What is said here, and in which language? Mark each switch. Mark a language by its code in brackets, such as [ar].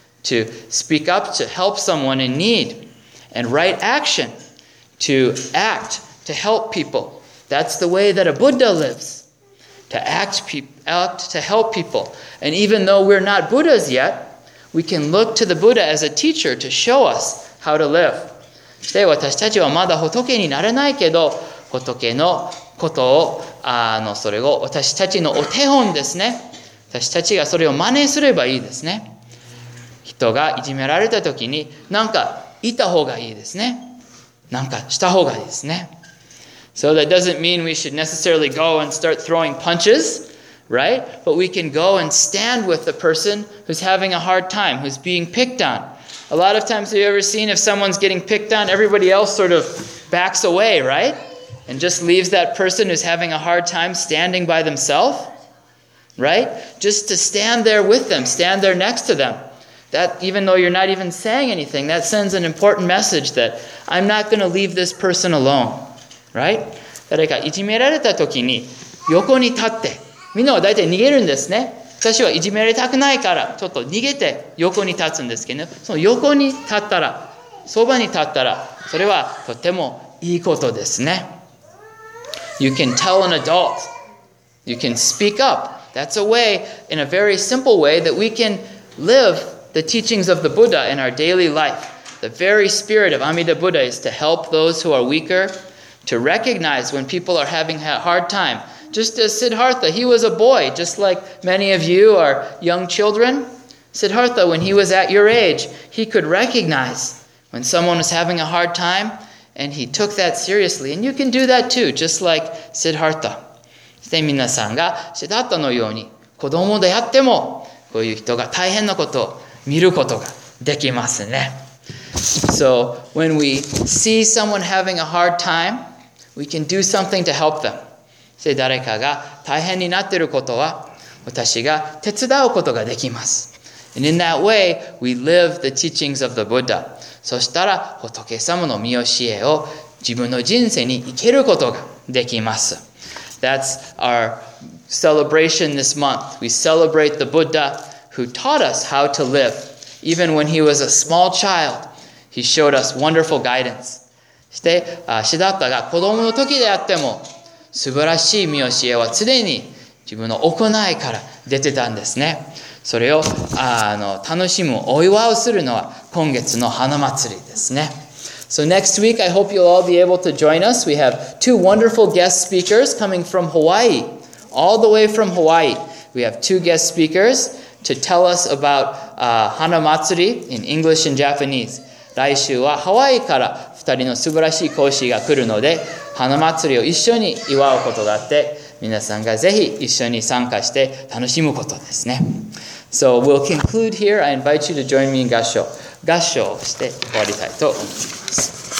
[en] To speak up to help someone in need. And right action. To act to help people. That's the way that a Buddha lives. To act to help people. And even though we're not Buddhas yet, We can look to the Buddha as a teacher to show us how to live. [ja] そして私たちはまだ仏になれないけど、仏のことを、それを私たちのお手本ですね。私たちがそれを真似すればいいですね。人がいじめられた時に、なんかいた方がいいですね。なんかした方がいいですね。 [en] So that doesn't mean we should necessarily go and start throwing punches, right? But we can go and stand with the person who's having a hard time, who's being picked on. A lot of times, have you ever seen if someone's getting picked on, everybody else sort of backs away, right? And just leaves that person who's having a hard time standing by themselves, right? Just to stand there with them, stand there next to them. That, even though you're not even saying anything, that sends an important message that I'm not going to leave this person alone. Right? [ja] 誰かいじめられた時に横に立って、みんなは大体逃げるんですね。私はいじめられたくないからちょっと逃げて横に立つんですけど、その横に立ったら、そばに立ったら、それはとてもいいことですね。 [en] You can tell an adult. You can speak up. That's a way, in a very simple way, that we can live the teachings of the Buddha in our daily life. The very spirit of Amida Buddha is to help those who are weaker. To recognize when people are having a hard time. Just as Siddhartha, he was a boy, just like many of you are young children. Siddhartha, when he was at your age, he could recognize when someone was having a hard time, and he took that seriously. And you can do that too, just like Siddhartha. [ja] そして皆さんが Siddhartha のように子供であっても、こういう人が大変なことを見ることができますね。 [en] So when we see someone having a hard time, we can do something to help them. [ja] 誰かが大変になっていることは、私が手伝うことができます。 [en] And in that way, we live the teachings of the Buddha. [ja] そしたら仏様の御教えを自分の人生に生けることができます。 [en] That's our celebration this month. We celebrate the Buddha who taught us how to live. Even when he was a small child. He showed us wonderful guidance. [ja] そして、シダッタが子供の時であっても、素晴らしい御教えは常に自分の行いから出てたんですね。それを楽しむ、お祝いするのは今月の花祭りですね。 [en] So next week, I hope you'll all be able to join us. We have two wonderful guest speakers coming from Hawaii, all the way from Hawaii. We have two guest speakers to tell us about Hana Matsuri in English and Japanese. [ja] 来週はハワイから二人の素晴らしい講師が来るので、花祭りを一緒に祝うことがあって、皆さんがぜひ一緒に参加して楽しむことですね。 [en] So we'll conclude here. I invite you to join me in 合唱。 [ja] 合唱をして終わりたいと思います。